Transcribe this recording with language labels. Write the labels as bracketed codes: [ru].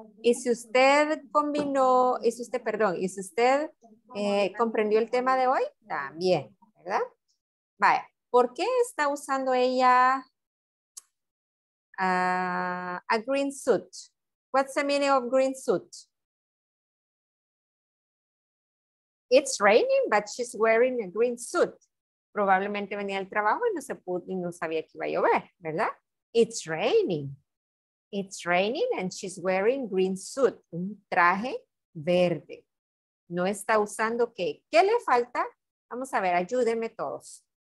[es] Y si usted combinó, y si usted, perdón, y si usted comprendió el tema de hoy, también, ¿verdad? Vaya, ¿por qué está usando ella [en] a green suit? What's the meaning of green suit? It's raining, but she's wearing a green suit. [es] Probablemente venía del trabajo y no se pudo y no sabía que iba a llover, ¿verdad? [en] It's raining. It's raining and she's wearing green suit. [es] Un traje verde. No está usando qué. ¿Qué le falta? Vamos a ver, ayúdenme todos.